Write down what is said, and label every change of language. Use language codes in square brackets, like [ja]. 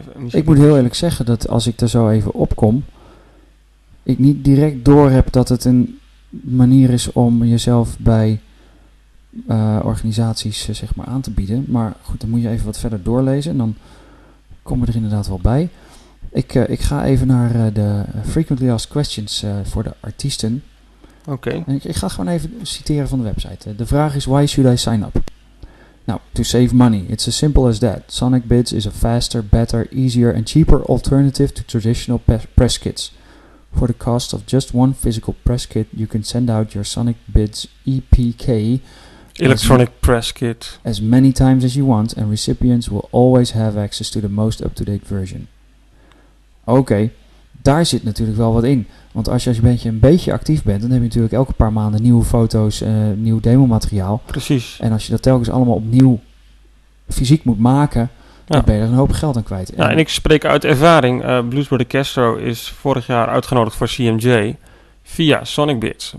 [nl] Ik moet heel eerlijk zeggen dat als ik er zo even opkom, ik niet direct door heb dat het een manier is om jezelf bij organisaties zeg maar aan te bieden. Maar goed, dan moet je even wat verder doorlezen en dan kom je er inderdaad wel bij. Ik ga even naar de Frequently Asked Questions voor de artiesten. Okay. En ik ga gewoon even citeren van de website. De vraag is, [en] why should I sign up? Now, to save money, it's as simple as that. Sonic Bits is a faster, better, easier and cheaper alternative to traditional press kits. For the cost of just one physical press kit, you can send out your Sonic Bits EPK, electronic press kit, as many times as you want, and recipients will always have access to the most up-to-date version. [nl] Okay, daar zit natuurlijk wel wat in. Want als je bandje een beetje actief bent, dan heb je natuurlijk elke paar maanden nieuwe foto's, nieuw demomateriaal. Precies. En als je dat telkens allemaal opnieuw fysiek moet maken, ja, dan ben je er een hoop geld aan kwijt. Ja, en ik spreek uit ervaring. Blues Brother Castro is vorig jaar uitgenodigd voor CMJ via Sonic Bits.